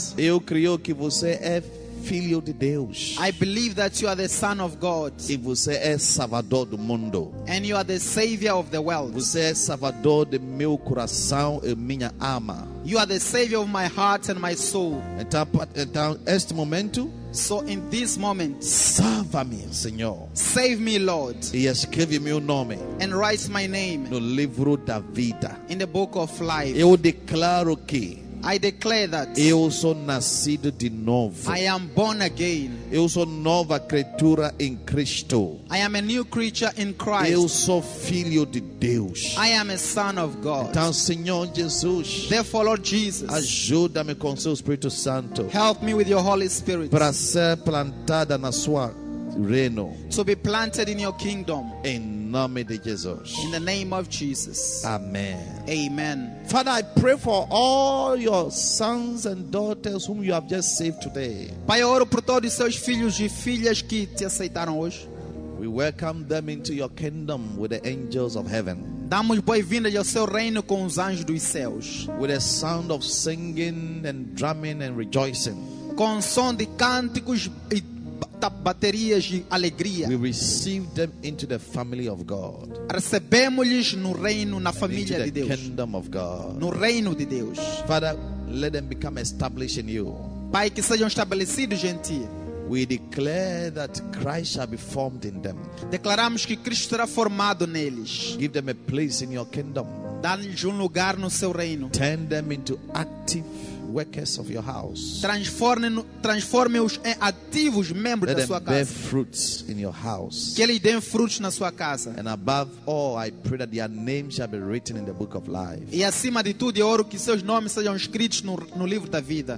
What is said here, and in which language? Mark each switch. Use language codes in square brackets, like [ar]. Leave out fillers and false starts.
[pt] Eu creio que você é filho de Deus. [en] I believe that you are the son of God. [pt] E você é salvador do mundo. [en] And you are the savior of the world. [pt] Você é salvador de meu coração e minha alma. [en] You are the savior of my heart and my soul. [pt] Então este momento. [en] So in this moment, [pt] salva-me, Senhor. [en] Save me, Lord. [pt] E escreve meu nome. [en] And write my name. [pt] No livro da vida. [en] In the book of life. [pt] Eu declaro que. [en] I declare that. [pt] Eu sou nascido de novo. [en] I am born again. [pt] Eu sou nova criatura em Cristo. [en] I am a new creature in Christ. [pt] Eu sou filho de Deus. [en] I am a son of God. [pt] Então, Senhor Jesus. [en] Therefore, Lord Jesus. [pt] Ajuda-me com seu Espírito Santo. [en] Help me with your Holy Spirit. [pt] Para ser plantada na sua reino. [en] To be planted in your kingdom. [pt] Em nome de Jesus. [en] In the name of Jesus. Amen. Amen. Father, I pray for all your sons and daughters whom you have just saved today. [pt] Pai, eu oro por todos os seus filhos e filhas que te aceitaram hoje. [en] We welcome them into your kingdom with the angels of heaven. [pt] Damos boas-vindas ao seu reino com os anjos dos céus. [en] With a sound of singing and drumming and rejoicing. [pt] Com som de cânticos e baterias de alegria. [en] We receive them into the family of God. [pt] Recebemos-lhes no reino, na família de Deus. [en] The kingdom of God. [pt] No reino de Deus. [en] Father, let them become established in you. [pt] Pai, que sejam estabelecidos em ti. [en] We declare that Christ shall be formed in them. [pt] Declaramos que Cristo será formado neles. [en] Give them a place in your kingdom. [pt] Dá-lhes um lugar no seu reino. [en] Turn them into active workers of your house. [pt] Transforme-os em ativos membros da sua casa. [en] Bear fruits in your house. [pt] Que eles deem frutos na sua casa. [en] And above all, I pray that their names shall be written in the book of life. [pt] E acima de tudo, eu oro que seus nomes sejam escritos no livro da vida.